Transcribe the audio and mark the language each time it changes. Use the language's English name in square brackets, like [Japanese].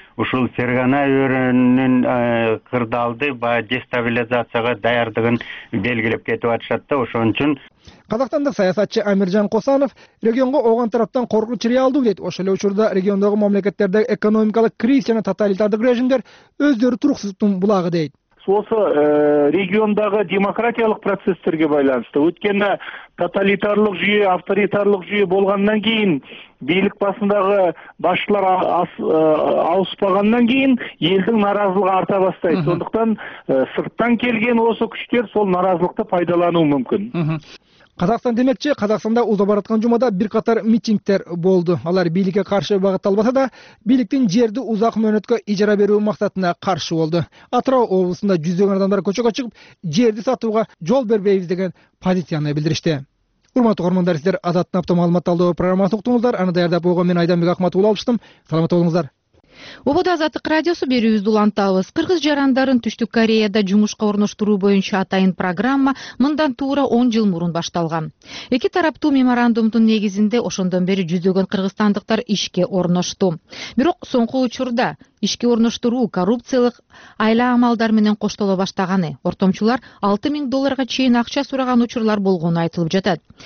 [Kyrgyz] Ушул Фергана өрөөнүн кырдаалды баягы дестабилизацияга даярдыгын белгилеп кетип атышат да. Ошон үчүн казакстандык саясатчы Амиржан Косанов регионго ооган тараптан коркунуч реалдуу дейт. Ошол эле учурда региондогу мамлекеттерде экономикалык кризис жана тоталитардык режимдер өздөрү туруксуздуктун булагы дейт. [Kazakh] осы региондағы демократиялық процестерге байланысты. Өткені тоталитарлық жүйе, авторитарлық жүйе болғаннан кейін, билік басындағы басшылар ауыспағаннан кейін елдің наразылығы арта бастайды. Сондықтан сырттан келген осы күштер сол наразылықты пайдалануы мүмкін. Қазақстан демекче, Қазақстанда ұзап баратқан жұмада бір қатар митингтер болды. Олар билікке қарсы бағытталбаса да, биліктің жерді ұзақ мөнетке ижара беру мақсатына қарсы болды. Атырау облысында жүздеген адамдар көшеге шығып, жерді сатуға жол бербейміз деген позицияны білдірді. Құрметті оқырмандар, сіздер Азаттың апта мәлімет алды программасын ұқтыңыздар. Ана даярда болған мен Айдамбек Ахматұлы алыштым. Саламат болыңыздар. [Kyrgyz] Обода Азаттык радиосу берүүбүздү улантабыз. Кыргыз жарандарын Түштүк Кореяда жумушка орноштуруу боюнча атайын программа мындан туура 10 жыл мурун башталган. Эки тараптуу меморандумдун негизинде ошондон бери жүздөгөн кыргызстандыктар ишке орношту. Бирок соңку учурда ишке орноштуруу коррупциялык айла амалдар менен коштоло баштаганы, ортомчулар 6000 долларга чейин акча сураган учурлар болгону айтылып жатат.